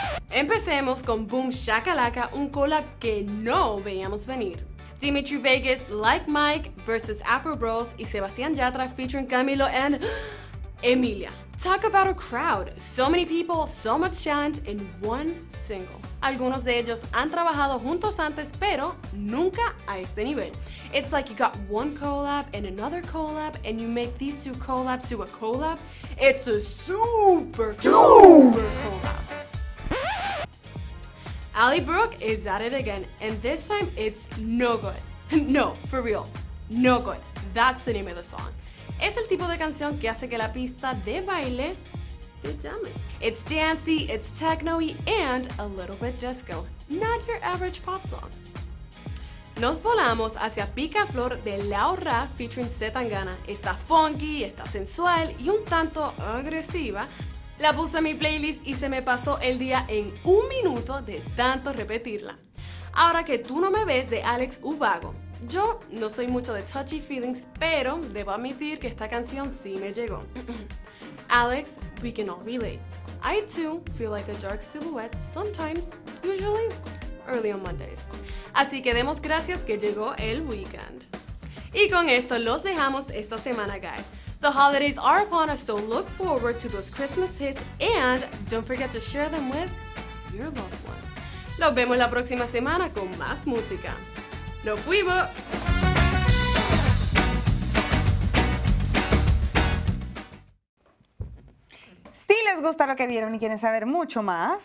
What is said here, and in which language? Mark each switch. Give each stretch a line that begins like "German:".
Spanish: Empecemos con Boomshakalaka, un collab que no veíamos venir. Dimitri Vegas, Like Mike versus Afro Bros y Sebastián Yatra featuring Camilo and Emilia.
English: Talk about a crowd. So many people, so much chance in one single.
Spanish: Algunos de ellos han trabajado juntos antes, pero nunca a este nivel.
English: It's like you got one collab and another collab, and you make these two collabs to a collab. It's a super, super collab. Ali Brooke is at it again, and this time it's no good. No, for real, no good. That's the name of the song.
Spanish: Es el tipo de canción que hace que la pista de baile te llame.
English: It's dancey, it's techno-y, and a little bit disco. Not your average pop song.
Spanish: Nos volamos hacia
English: Picaflor de Laura featuring C. Tangana.
Spanish: Está funky, está sensual y un tanto agresiva. La puse en mi playlist y se me pasó el día en un minuto de tanto repetirla. Ahora que tú no me ves de Alex Ubago. Yo no soy mucho de touchy feelings, pero debo admitir que esta canción sí me llegó.
English: Alex, we can all relate. I too feel like a dark silhouette sometimes, usually early on Mondays.
Spanish: Así que demos gracias que llegó el weekend. Y con esto los dejamos esta semana, guys.
English: The holidays are upon us, so look forward to those Christmas hits and don't forget to share them with your loved ones.
Spanish: Nos vemos la próxima semana con más música. ¡No fuimos! Si les gusta lo que vieron y quieren saber mucho más,